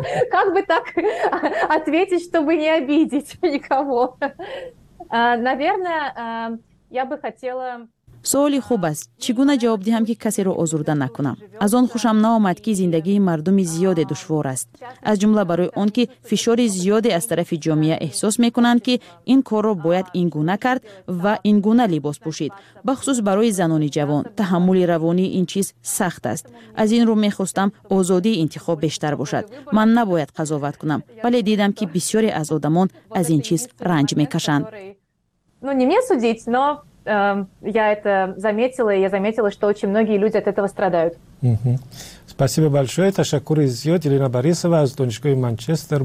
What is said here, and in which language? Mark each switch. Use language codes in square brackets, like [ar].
[ru] Как бы так ответить, чтобы не обидеть никого? Наверное, [fa] سوالی خوب است. چگونه جواب دهم که کسی را آزرده نکنم؟ از آن خوشم نیامد که زندگی مردم زیاد دشوار است. از جمله برای آن که فشار زیاد از طرف جامعه احساس میکنند که این کار را باید این گونه کرد و این گونه لباس پوشید. بخصوص برای زنان جوان، تحمل روانی این چیز سخت است. از این رو میخواستم آزادی انتخاب بیشتر باشد. من نباید قضاوت کنم، ولی دیدم که بسیاری از آدمان از این چیز رنج میکشند. [ru] Ну, не мне судить, но я это заметила, и я заметила, что очень многие люди от этого страдают. Спасибо большое. Это Шакур Изиот, Елена Борисова из Донечко и Манчестер.